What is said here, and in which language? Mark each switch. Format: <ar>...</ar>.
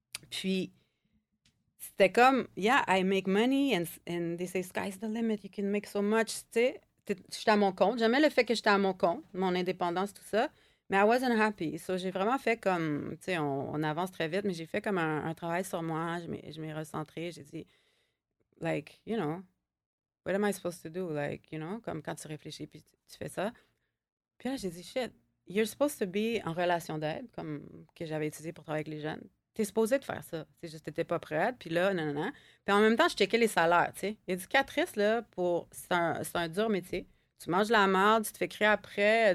<fr>Puis, c'était comme,</fr> <en>yeah, I make money and they say, sky's the limit, you can make so much,</en> <fr>tu sais. J'étais à mon compte. J'aimais le fait que j'étais à mon compte, mon indépendance, tout ça. Mais</fr> <en>I wasn't happy.</en> <fr>So, j'ai vraiment fait comme, tu sais, on avance très vite, mais j'ai fait comme un travail sur moi. Je m'ai recentrée. J'ai dit,</fr> <en>like, you know, what am I supposed to do? Like, you know,</en> <fr>comme quand tu réfléchis puis tu fais ça. Puis là, j'ai dit, shit,</fr> <en>you're supposed to be</en> <fr>en relation d'aide, comme que j'avais étudié pour travailler avec les jeunes. T'es supposé de faire ça. C'est juste que t'étais pas prête. Puis là, non, non, non. Puis en même temps, je checkais les salaires, tu sais. Éducatrice, là, c'est un dur métier. Tu manges de la merde, tu te fais crier après.</fr>